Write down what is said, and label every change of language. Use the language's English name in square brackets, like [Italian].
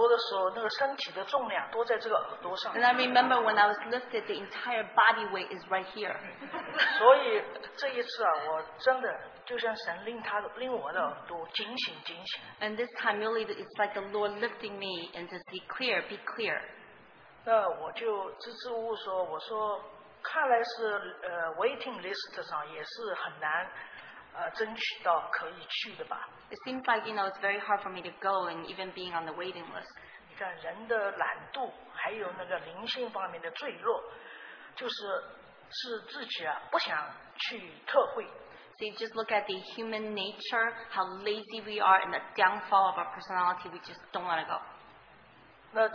[Chinese] 那我也记得那个拎耳朵的时候，那个身体的重量都在这个耳朵上。 [English] And I remember when I was lifted, the entire body weight is right here. [Chinese] 所以这一次啊，我真的。就像神拎我的耳朵，警醒警醒。 [English] And this time, really, it's like the Lord lifting me and to see clear, be clear. [Chinese] 那我就支支吾吾说，我说，看来是waiting list 上也是很难争取到可以去的吧。 [English] It seems like, you know, it's very hard for me to go and even being on the waiting list. [Chinese] 你看人的懒惰，还有那个灵性方面的坠落，就是自己啊不想去特会。 [English] So you just look at the human nature, how lazy we are, and the downfall of our personality, we just don't want to go.